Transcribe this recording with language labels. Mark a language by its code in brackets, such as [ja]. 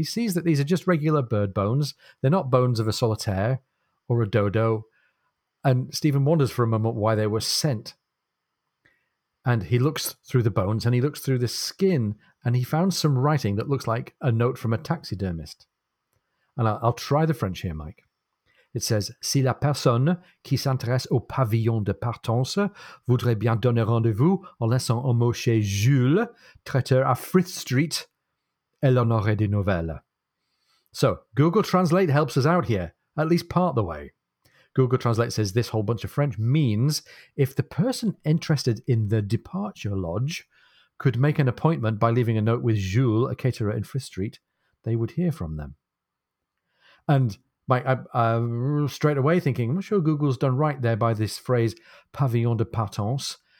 [en] He sees that these are just regular bird bones. They're not bones of a solitaire or a dodo, and Stephen wonders for a moment why they were sent. And he looks through the bones and he looks through the skin and he found some writing that looks like a note from a taxidermist. And I'll try the French here, Mike. [fr] It says, si la personne qui s'intéresse au pavillon de partance voudrait bien donner rendez-vous en laissant un mot chez Jules, traiteur à Frith Street, elle en aurait des nouvelles. [en] So Google Translate helps us out here, at least part the way. Google Translate says this whole bunch of French means if the person interested in the departure lodge could make an appointment by leaving a note with Jules, a caterer in Frith Street, they would hear from them. And I'm straight away thinking, I'm not sure Google's done right there by this phrase, [fr] pavillon de partance.